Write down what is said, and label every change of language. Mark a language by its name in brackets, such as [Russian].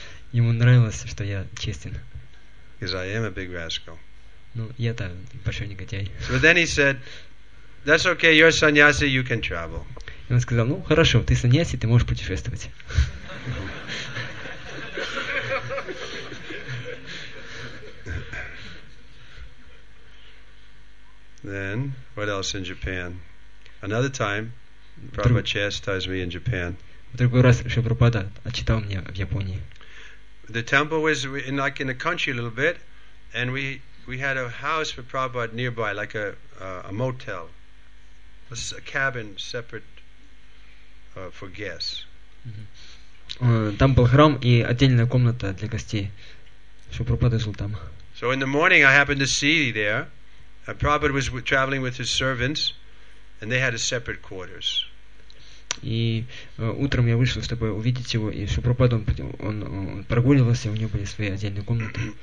[Russian] Ему нравилось, что я честен. [English] Because I am a big rascal. [Russian] Ну, я-то большой негодяй. [English] So then he said, "That's okay, you're sannyasi, you can travel." [Russian] И он сказал, ну хорошо, ты сannyasi, ты можешь путешествовать. [English] Then what else in Japan? Another time, Prabhupada chastised me in Japan. [Russian] В другой раз Шрила Прабхупада отчитал меня в Японии. [English] The temple was in the country a little bit, and we had a house for Prabhupada nearby, like a motel, a cabin separate for guests. [Russian] Там был храм и отдельная комната для гостей, Шрила Прабхупада жил там. [English] So in the morning, I happened to see there, Prabhupada was traveling with his servants. And they had a separate quarters. [Russian] И утром я вышел, чтобы увидеть его, и Шрила Прабхупада он прогуливался, у него были свои отдельные комнаты.